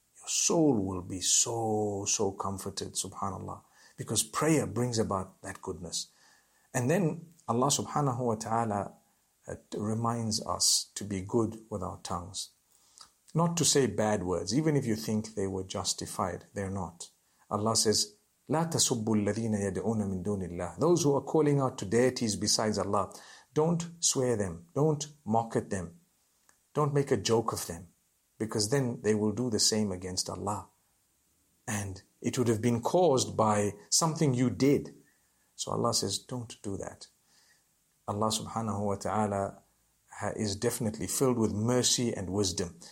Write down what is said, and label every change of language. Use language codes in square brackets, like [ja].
[en] Your soul will be so, so comforted, subhanallah, because prayer brings about that goodness. And then Allah subhanahu wa ta'ala reminds us to be good with our tongues. Not to say bad words, even if you think they were justified, they're not. Allah says, [ar] لَا تَسُبُّ الَّذِينَ يَدْعُونَ مِن دُونِ اللَّهِ. [en] Those who are calling out to deities besides Allah, don't swear them, don't mock at them, don't make a joke of them, because then they will do the same against Allah. And it would have been caused by something you did. So Allah says, don't do that. Allah subhanahu wa ta'ala is definitely filled with mercy and wisdom.